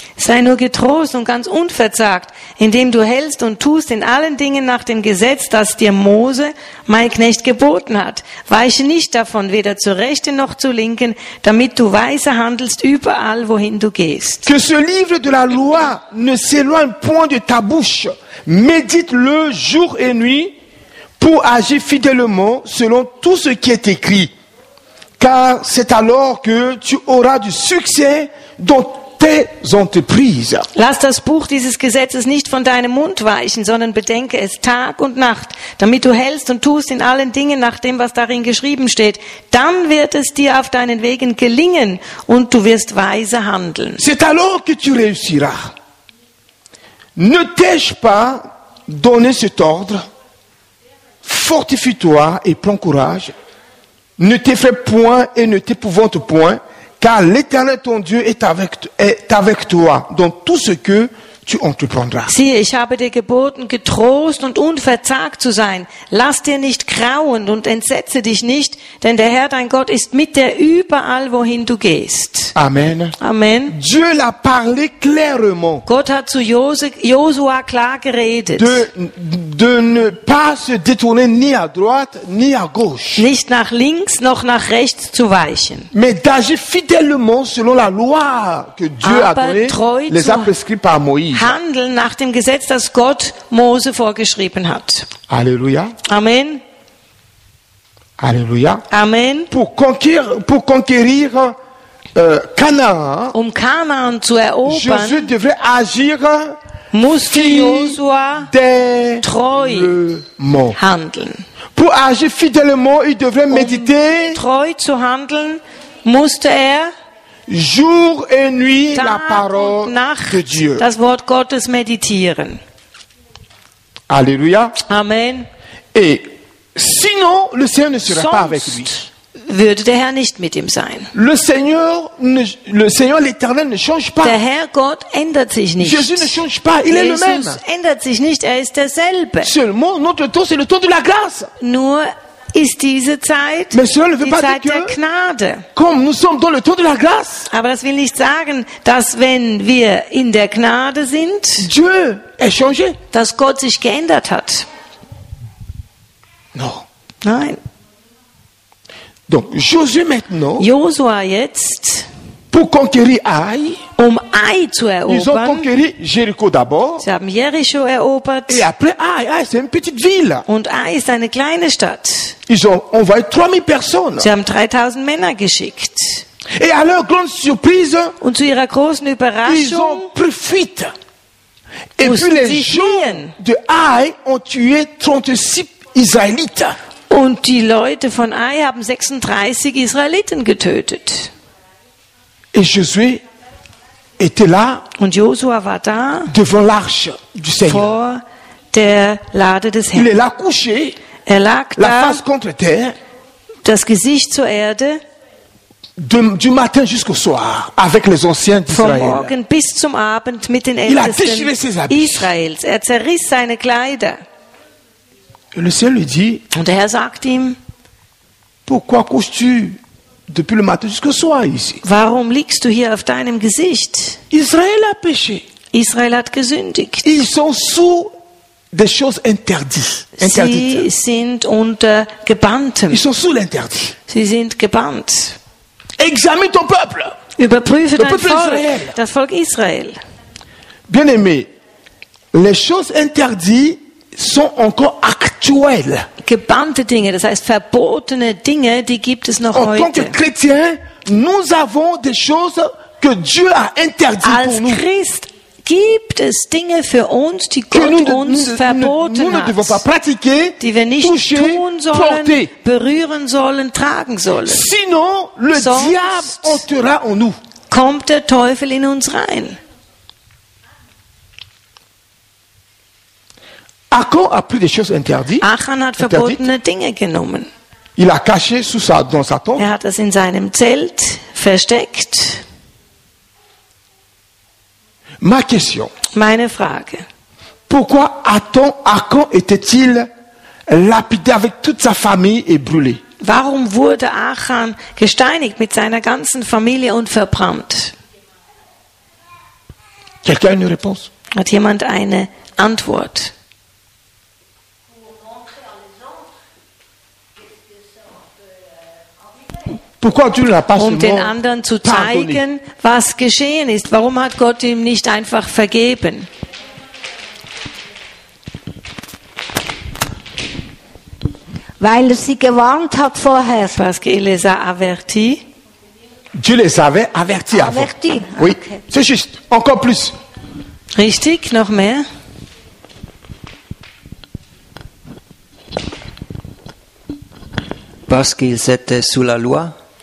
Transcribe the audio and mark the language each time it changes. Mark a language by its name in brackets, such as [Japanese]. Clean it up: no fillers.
[German] Sei nur getrost und ganz unverzagt, indem du hältst und tust in allen Dingen nach dem Gesetz, das dir Mose, mein Knecht, geboten hat. Weiche nicht davon, weder zur Rechten noch zur Linken, damit du weise handelst überall, wohin du gehst. [French] Que ce livre de la loi ne s'éloigne point de ta bouche. Médite-le jour et nuit pour agir fidèlement selon tout ce qui est écrit. Car c'est alors que tu auras du succès dans tes entreprises. [German] Lass das Buch dieses Gesetzes nicht von deinem Mund weichen, sondern bedenke es Tag und Nacht, damit du hältst und tust in allen Dingen nach dem, was darin geschrieben steht. Dann wird es dir auf deinen Wegen gelingen und du wirst weise handeln. [French] C'est alors que tu réussiras. Ne t'ai-je pas donné cet ordre? Fortifie-toi et prends courage. Ne t'effraie point et ne t'épouvante point, car l'Éternel ton Dieu est avec toi dans tout ce que tu entreprendras. [German] Siehe, ich habe dir geboten, getrost und unverzagt zu sein. Lass dir nicht grauen und entsetze dich nicht, denn der Herr dein Gott ist mit dir überall, wohin du gehst. Amen. Amen. [French] Dieu l'a parlé clairement. [German] Gott hat zu Josua klar geredet. [French] De ne pas se détourner ni à droite ni à gauche. [German] Nicht nach links noch nach rechts zu weichen. [French] Mais d'agir fidèlement selon la loi que Dieu [German] Aber [French] a donnée, les a prescrits par Moïse. [German] Handeln nach dem Gesetz, das Gott Mose vorgeschrieben hat. [French] Alléluia. Amen. Alléluia. Amen. Pour conquérir Canaan, [German] um Canaan zu erobern, [French] Jésus devait agir [German] musste Josua treu handeln. [French] Pour agir fidèlement, il devait méditer [German] treu zu handeln, musste er [French] jour et nuit la parole de Dieu. [German] Das Wort Gottes meditieren. [French] Alléluia. Amen. Et sinon le Seigneur ne serait [German] Sonst [French] pas avec lui. [German] Würde der Herr nicht mit ihm sein. [French] Le Seigneur l'Éternel ne change pas. [German] Der Herr Gott ändert sich nicht. [French] Jésus ne change pas, il [German] Jesus [French] est le même. [German] Jesus ändert sich nicht, er ist derselbe. [French] Seulement notre temps c'est le temps de la grâce. [German] Nur ist diese Zeit die Zeit der Gnade. [French] Comme nous sommes dans le temps de la grâce. [German] Aber das will nicht sagen, dass wenn wir in der Gnade sind, [French] Dieu est changé. [German] Dass Gott sich geändert hat. [French] No. [German] Nein. [French] Donc, Josué maintenant, [German] Josua jetzt, [French] pour conquérir Ai, [German] um Ai zu erobern, [French] ils ont conquéri Jericho d'abord, [German] sie haben Jericho erobert, [French] et après Ai, Ai c'est une petite ville. [German] Und Ai ist eine kleine Stadt. [French] Ils ont envoyé 3000 personnes. [German] Sie haben 3000 Männer geschickt. [French] Et à leur grande surprise, [German] und zu ihrer großen Überraschung, [French] ils ont profit. Et puis les gens de Ai ont tué 36 Israélites. [German] Und die Leute von Ai haben 36 Israeliten getötet. [French] Et Josué était là [German] und Josua war da [French] devant l'arche du Seigneur. [German] Vor der Lade des Herrn. [French] Il est là couché, [German] er lag [French] la [German] da, [French] face contre terre, [German] das Gesicht zur Erde, [French] du matin jusqu'au soir, avec les anciens d'Israël. [German] Vom Morgen bis zum Abend mit den Ältesten Israels. Er zerriss seine Kleider. [French] Et le Seigneur lui dit, [German] und der Herr sagt ihm, [French] pourquoi couches-tu depuis le matin jusqu'au soir ici? [German] Warum liegst du hier auf deinem Gesicht? [French] Israël a péché. [German] Israël hat gesündigt. [French] Ils sont sous des choses interdites. [German] Sie sind unter gebanntem. [French] Ils sont sous l'interdit. [German] Sie sind gebannt. [French] Examine ton peuple. [German] Überprüfe dein Volk. Israël. Das Volk Israel. [French] Bien-aimé, les choses interdites sont encore actuelles. [German] Gebannte Dinge, das heißt verbotene Dinge, die gibt es noch heute. [French] En tant que chrétien, nous avons des choses que Dieu a interdites pour nous. [German] Als Christ gibt es Dinge für uns, die Gott uns verboten hat. [French] Nous ne devons pas pratiquer, [German] die wir nicht [French] toucher, [German] tun sollen, [French] porter, [German] berühren sollen, tragen sollen. [French] Sinon, le [German] Sonst [French] diable entrera en nous. [German] Kommt der Teufel in uns rein. [French] Achan a pris des choses interdites. [German] Achan hat verbotene Dinge genommen. [French] Il a caché sous sa, dans sa tombe. [German] Er hat es in seinem Zelt versteckt. [French] Ma question. [German] Meine Frage. [French] Pourquoi Achan était-il lapidé avec toute sa famille et brûlé? [German] Warum wurde Achan gesteinigt mit seiner ganzen Familie und verbrannt? [French] Quelqu'un a une réponse? [German] Hat jemand eine Antwort? [French] Pourquoi tu ne l'as pas [German] um den anderen zu zeigen, [French] pardonné. [German] Was geschehen ist. Warum hat Gott ihm nicht einfach vergeben? Weil er sie gewarnt hat vorher. [French] Parce qu'il les a avertis. Dieu les avait avertis avant. Averti. Oui, okay. C'est juste. Encore plus. [German] Richtig, noch mehr. [French] Parce qu'ils étaient sous la loi.